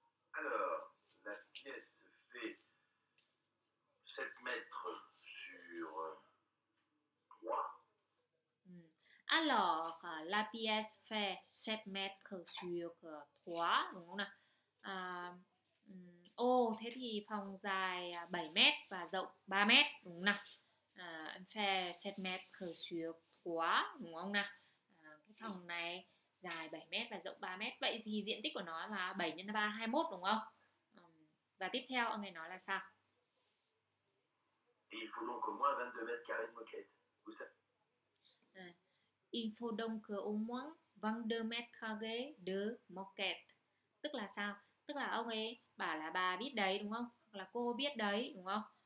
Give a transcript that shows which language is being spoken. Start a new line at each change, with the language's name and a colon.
French: Alors, la pièce fait 7 mètres sur 3. Alors, la pièce fait 7 mètres sur 3,
Vietnamese: đúng không nào? Thế thì phòng dài 7 mét và rộng 3 mét, đúng không nào?
French: Fait 7 mètres sur 3,
Vietnamese: đúng không nào? Cái phòng này dài 7 mét và rộng 3 mét. Vậy thì diện tích của nó là 7 x 3 là 21, đúng không? Và tiếp theo ông ấy nói là sao?
French: Il faut donc au moins 22 mètres carrés de moquette. Il faut donc au moins 22 mètres carrés de moquette.
Vietnamese: Tức là sao? Tức là ông ấy bảo là bà biết đấy, đúng không? Hoặc là cô biết đấy, đúng không?